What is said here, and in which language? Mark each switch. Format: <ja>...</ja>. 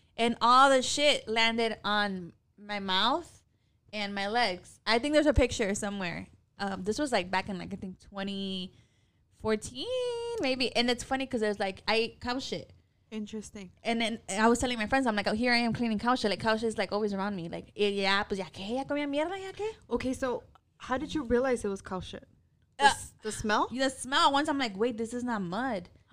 <en>And all the shit landed on my mouth and my legs. I think there's a picture somewhere. This was like back in like I think 2014 maybe, and it's funny because there's like I eat cow shit. Interesting. And then I was telling my friends, I'm like, oh, here I am cleaning cow shit. Like cow shit is like always around me. Like yeah,</en> <es>pues ya que ya comía mierda ya que.</es> <en>Okay, so how did you realize it was cow shit? The smell? The smell. Once I'm like, wait, this is not mud.</en>